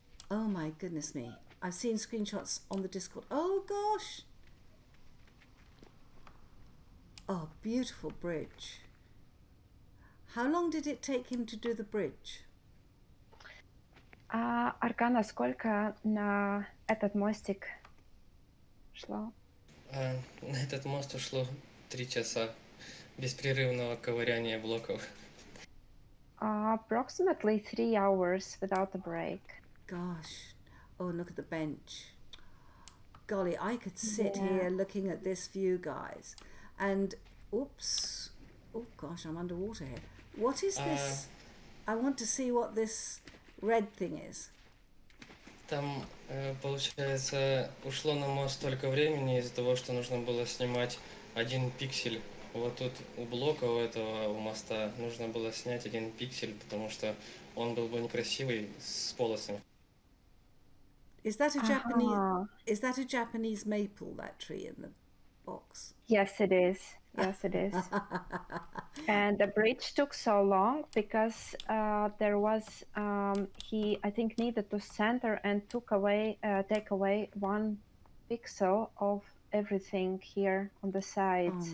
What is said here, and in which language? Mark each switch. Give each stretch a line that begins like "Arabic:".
English: Oh my goodness me. I've seen screenshots on the Discord. Oh gosh. Oh, beautiful bridge. How long did it take him to do the bridge?
Russian: Arkan, сколько на этот мостик шло? На этот мост ушло 3 часа беспрерывного ковыряния блоков.
English: Approximately 3 hours without a break. Gosh. Oh, look at the bench. Golly, I could sit here looking at this view, guys. And oops. Oh gosh, I'm underwater here. What is this? I want to see what this red thing is.
Russian: Там, получается, ушло на мост столько времени из-за того, что нужно было снимать один пиксель. Вот тут у блока у этого, у моста, нужно было снять один пиксель, потому что он был бы некрасивый с полосами.
English: Is that a Japanese, is that a Japanese maple, that tree in the box? Yes, it is. Yes, it is. And the bridge took so long because there was he, I think, needed to center and take away one pixel of everything here on the sides.